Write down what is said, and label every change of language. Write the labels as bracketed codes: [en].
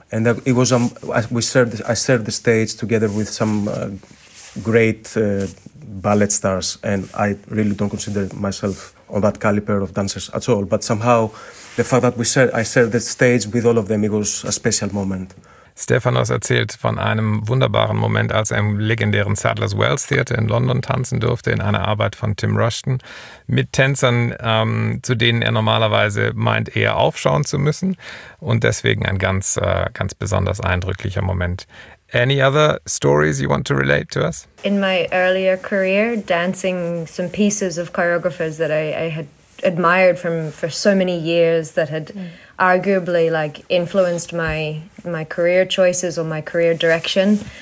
[en] And it was I shared the stage together with some great ballet stars, and I really don't consider myself on that caliber of dancers at all. But somehow, the fact that I shared the stage with all of them, it was a special moment. [de] Stephanos erzählt von einem wunderbaren Moment, als er im legendären Sadler's Wells Theater in London tanzen durfte, in einer Arbeit von Tim Rushton, mit Tänzern, zu denen er normalerweise meint, eher aufschauen zu müssen. Und deswegen ein ganz, ganz besonders eindrücklicher Moment. [en] Any other stories you want to relate to us? In my earlier career, dancing some pieces of choreographers that I had admired for so many years that had arguably like influenced my career choices or my career direction.